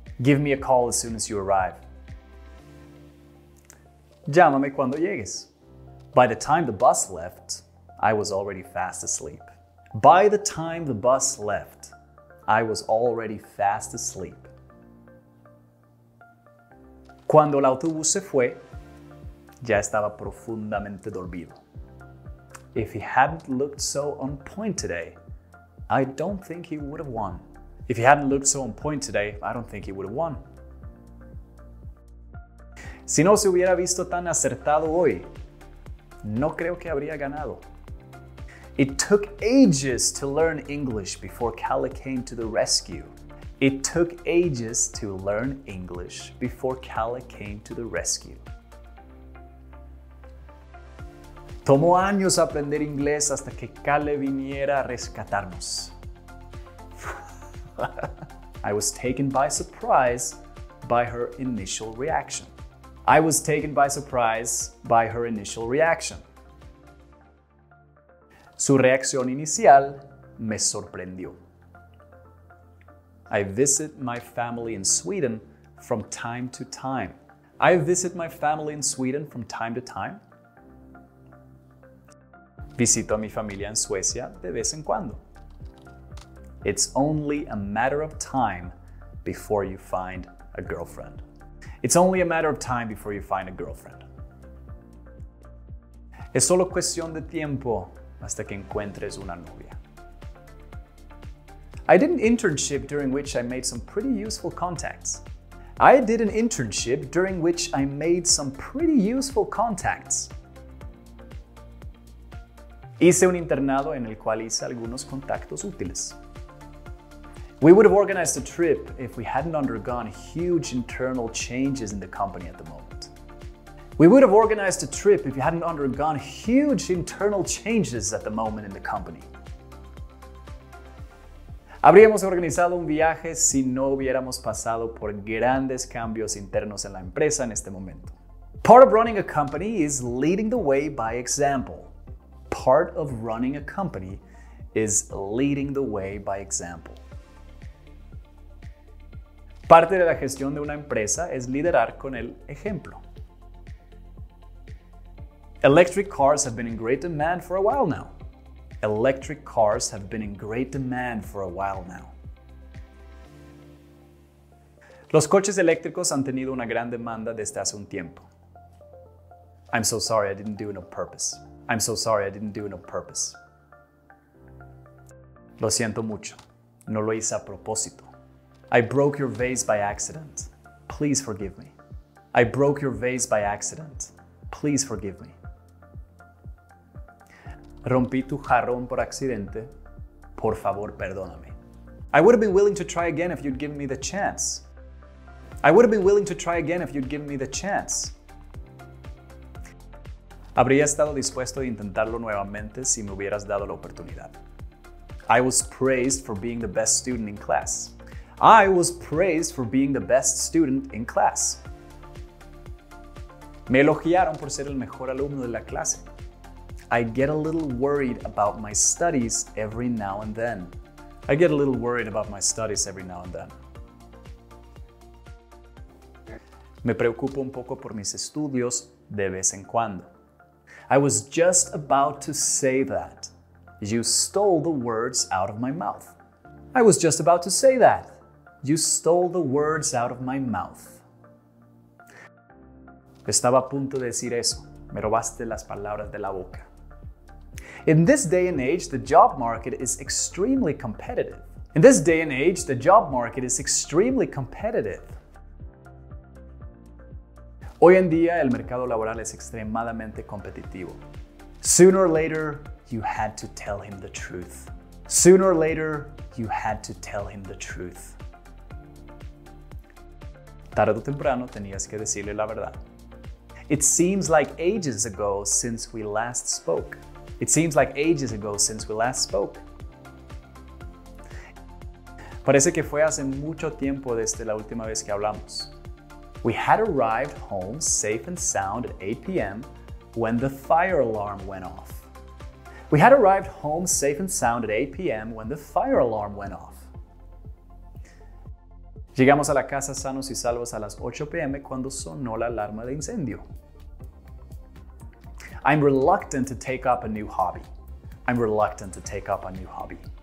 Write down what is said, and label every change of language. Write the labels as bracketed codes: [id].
[en] Give me a call as soon as you arrive. [es] Llámame cuando llegues. [en] By the time the bus left, I was already fast asleep. By the time the bus left, I was already fast asleep. [es] Cuando el autobús se fue, ya estaba profundamente dormido. [en] If he hadn't looked so on point today, I don't think he would have won. If he hadn't looked so on point today, I don't think he would have won. [es] Si no se hubiera visto tan acertado hoy, no creo que habría ganado. [en] It took ages to learn English before Cali came to the rescue. It took ages to learn English before Cali came to the rescue. [es] Tomó años aprender inglés hasta que Cali viniera a rescatarnos. [en] I was taken by surprise by her initial reaction. I was taken by surprise by her initial reaction. [es] Su reacción inicial me sorprendió. [en] I visit my family in Sweden from time to time. I visit my family in Sweden from time to time. [es] Visito a mi familia en Suecia de vez en cuando. [en] It's only a matter of time before you find a girlfriend. It's only a matter of time before you find a girlfriend. [es] Es solo cuestión de tiempo hasta que encuentres una novia. [en] I did an internship during which I made some pretty useful contacts. I did an internship during which I made some pretty useful contacts. [es] Hice un internado en el cual hice algunos contactos útiles. [en] We would have organized a trip if we hadn't undergone huge internal changes in the company at the moment. We would have organized a trip if you hadn't undergone huge internal changes at the moment in the company. [es] Habríamos organizado un viaje si no hubiéramos pasado por grandes cambios internos en la empresa en este momento. [en] Part of running a company is leading the way by example. Part of running a company is leading the way by example. [es] Parte de la gestión de una empresa es liderar con el ejemplo. [en] Electric cars have been in great demand for a while now. Electric cars have been in great demand for a while now. [es] Los coches eléctricos han tenido una gran demanda desde hace un tiempo. [en] I'm so sorry, I didn't do it on purpose. I'm so sorry, I didn't do it on purpose. [es] Lo siento mucho. No lo hice a propósito. [en] I broke your vase by accident. Please forgive me. I broke your vase by accident. Please forgive me. [es] Rompí tu jarrón por accidente. Por favor, perdóname. [en] I would have been willing to try again if you'd given me the chance. I would have been willing to try again if you'd given me the chance. [es] Habría estado dispuesto a intentarlo nuevamente si me hubieras dado la oportunidad. [en] I was praised for being the best student in class. I was praised for being the best student in class. [es] Me elogiaron por ser el mejor alumno de la clase. [en] I get a little worried about my studies every now and then. I get a little worried about my studies every now and then. [es] Me preocupo un poco por mis estudios de vez en cuando. [en] I was just about to say that. You stole the words out of my mouth. I was just about to say that. You stole the words out of my mouth. [es] Estaba a punto de decir eso. Me robaste las palabras de la boca. [en] In this day and age, the job market is extremely competitive. In this day and age, the job market is extremely competitive. [es] Hoy en día, el mercado laboral es extremadamente competitivo. [en] Sooner or later, you had to tell him the truth. Sooner or later, you had to tell him the truth. [es] Tarde o temprano, tenías que decirle la verdad. [en] It seems like ages ago since we last spoke. It seems like ages ago since we last spoke. [es] Parece que fue hace mucho tiempo desde la última vez que hablamos. [en] We had arrived home safe and sound at 8 p.m. when the fire alarm went off. We had arrived home safe and sound at 8 p.m. when the fire alarm went off. [es] Llegamos a la casa sanos y salvos a las 8 p.m. cuando sonó la alarma de incendio. [en] I'm reluctant to take up a new hobby. I'm reluctant to take up a new hobby.